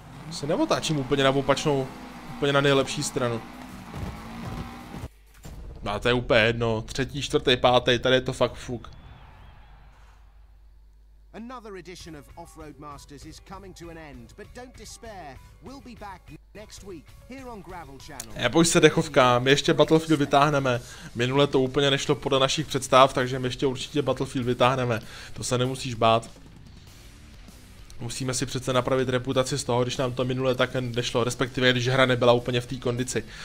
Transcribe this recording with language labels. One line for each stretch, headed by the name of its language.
Czech: Se neotáčím úplně na opačnou, úplně na nejlepší stranu. No to je úplně jedno, třetí, čtvrtý, pátý, tady je to fakt fuk.
English: Another edition of Off-Road Masters is coming to an end, but don't despair. We'll be back next week here on Gravel Channel.
Czech: Neboj se, dechovka, my ještě Battlefield vytáhneme. Minule to úplně nešlo podle našich představ, takže my ještě určitě Battlefield vytáhneme. To se nemusíš bát. Musíme si přece napravit reputaci z toho, když nám to minule tak nešlo, respektive když hra nebyla úplně v té kondici.